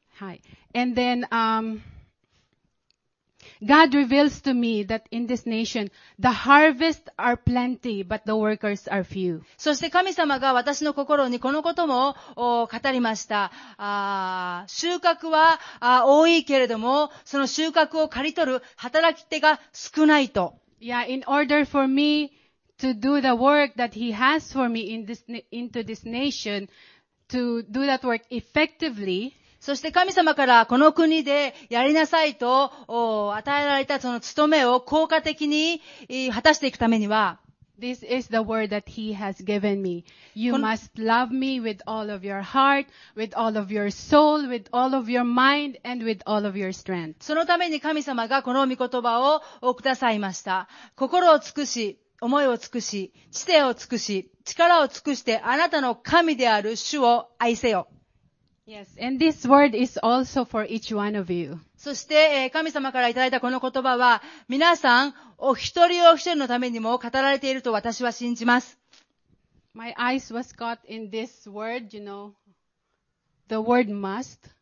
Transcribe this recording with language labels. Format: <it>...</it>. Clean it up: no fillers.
<ja>はい。</ja> <en>And then, God reveals to me that in this nation, the harvest are plenty, but the workers are few.</en> <ja>そして神様が私の心にこのことも語りました。収穫は多いけれども、その収穫を刈り取る働き手が少ないと。</ja> <en>Yeah, in order for meTo do the work that he has for me into this nation, to do that work effectively.</en> <ja>そして神様からこの国でやりなさいと与えられたその務めを効果的に果たしていくためには、</ja> <en>This is the word that he has given me. You must love me with all of your heart, with all of your soul, with all of your mind, and with all of your strength.</en> <ja>そのために神様がこの御言葉をおくださいました。心を尽くし、思いを尽くし、知性を尽くし、力を尽くして、あなたの神である主を愛せよ。</ja> <en>Yes, and this word is also for each one of you.</en> <ja>そして、神様からいただいたこの言葉は、皆さん、お一人お一人のためにも語られていると私は信じます。</ja> <en>My eyes was caught in this word, you know, the word must.</en>